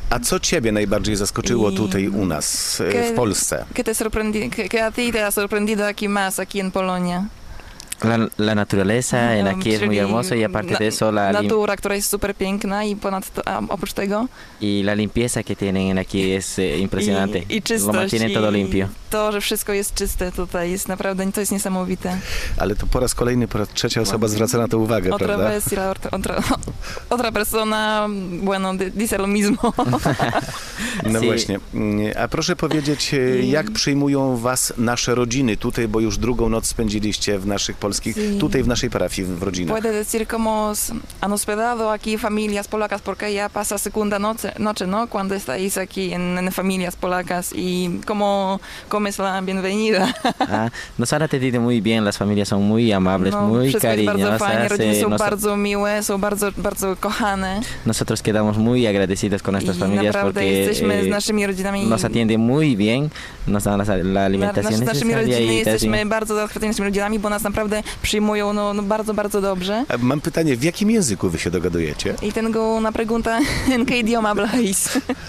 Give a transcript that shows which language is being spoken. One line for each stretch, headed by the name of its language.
Polish: A co ciebie najbardziej zaskoczyło tutaj u nas, w Polsce?
Spanish: Que a ti te ha sorprendido aquí más, aquí en Polonia? La naturaleza, el aquí es muy hermoso y aparte de eso la
Polish: natura, która jest super piękna i ponadto oprócz tego
Spanish: i la limpieza que tienen aquí es impresionante.
Polish: I czystość,
Spanish: lo mantienen todo limpio.
Polish: To, że wszystko jest czyste tutaj, jest naprawdę, to jest niesamowite. Ale to po raz kolejny, po raz trzecia osoba zwraca na to uwagę,
Spanish: otra
Polish: prawda?
Spanish: Vez, otra persona, bueno, dice lo mismo.
Polish: No
Spanish: sí.
Polish: Właśnie. A proszę powiedzieć, jak przyjmują was nasze rodziny tutaj, bo już drugą noc spędziliście w naszych polskich,
Spanish: sí,
Polish: tutaj w naszej parafii, w rodzinach.
Spanish: Puede decir como han hospedado aquí familias polacas, porque ya pasa segunda noche, no? Cuando estáis aquí en familias polacas y como... ¿Cómo es la bienvenida? Nos han atendido muy bien, las familias son muy amables, no, muy cariñosas.
Polish: Fajne, rodziny są bardzo miłe, są bardzo, bardzo kochane.
Spanish: Nosotros quedamos muy agradecidos con nuestras familias porque
Polish: z naszymi rodzinami,
Spanish: nos atiende muy bien, nos dan la alimentación necesaria.
Polish: Jesteśmy bardzo zachwyceni naszymi rodzinami, bo nas naprawdę przyjmują bardzo, bardzo dobrze. A mam pytanie, w jakim języku wy się dogadujecie?
Spanish: I tengo una pregunta, ¿en qué idioma habláis?